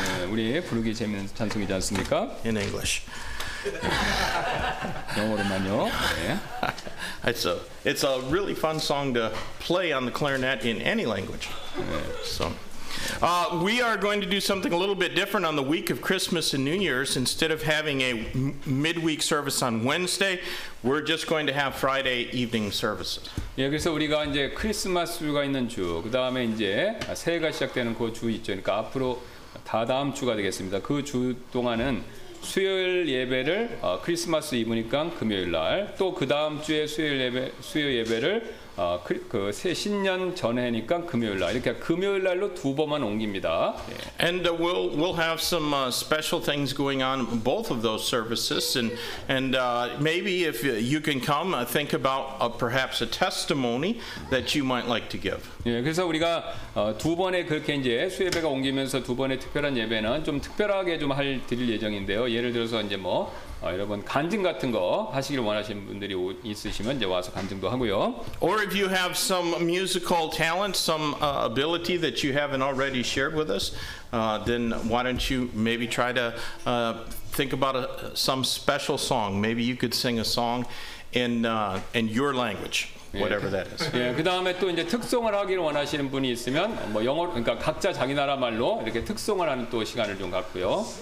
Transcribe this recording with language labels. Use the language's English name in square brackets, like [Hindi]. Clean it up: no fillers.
[Korean] 우리 부르기 재밌는 찬송이지 않습니까? [English] In English. [Korean] 영어로만요. [English] It's a really fun song to play on the clarinet in any language. So, we are going to do something a little bit different on the week of Christmas and New Year's. Instead of having a midweek service on Wednesday, we're just going to have Friday evening services. [Korean] 예, 그래서 우리가 이제 크리스마스가 있는 주, 그 다음에 이제 새해가 시작되는 그 주 있죠. 그러니까 앞으로 다 다음 주가 되겠습니다. 그 주 동안은 수요일 예배를 크리스마스 이브니까 금요일 날 또 그 다음 주에 수요일 예배 수요 예배를 그 새 신년 전해니까 금요일 날 이렇게 금요일 날로 두 번만 옮깁니다. [English] And we'll have some special things going on both of those services and maybe if you can come think about perhaps a testimony that you might like to give. [Korean] 예, 그래서 우리가 두 번에 그렇게 이제 수요예배가 옮기면서 두 번의 특별한 예배는 좀 특별하게 좀 할 드릴 예정인데요. 예를 들어서 이제 뭐 여러분 간증 같은 거 하시기를 원하시는 분들이 있으시면 이제 와서 간증도 하고요. [English] Or if you have some musical talent, some ability that you haven't already shared with us, then why don't you maybe try to think about some special song? Maybe you could sing a song in your language, whatever that is. [Korean] 예, 그다음에 또 이제 특송을 하기를 원하시는 분이 있으면 뭐 영어 그러니까 각자 자기 나라 말로 이렇게 특송을 하는 또 시간을 좀 갖고요.